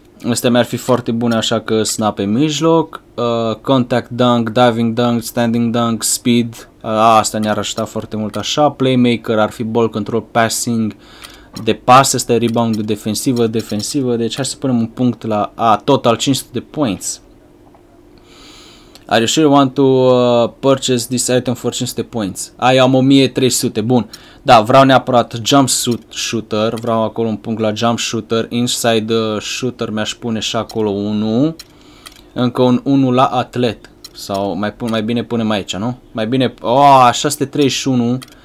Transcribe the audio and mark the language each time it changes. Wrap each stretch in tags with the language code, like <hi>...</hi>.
<ro>astea mi-ar fi foarte bune, așa că snap pe mijloc, contact dunk, diving dunk, standing dunk, speed, asta ne-ar ajuta foarte mult, așa, playmaker, ar fi ball control, passing, de pas, este rebound defensivă, deci hai să punem un punct la total 500 de points.</ro> <en>Are you sure you want to purchase this item for 500 points?</en> <ro>Ai, am 1300, bun. Da, vreau neapărat jump shooter, vreau acolo un punct la jump shooter, inside shooter mi-aș pune și acolo 1, încă un 1 la atlet, sau mai, pun, mai bine punem aici, nu? Mai bine, 631.</ro>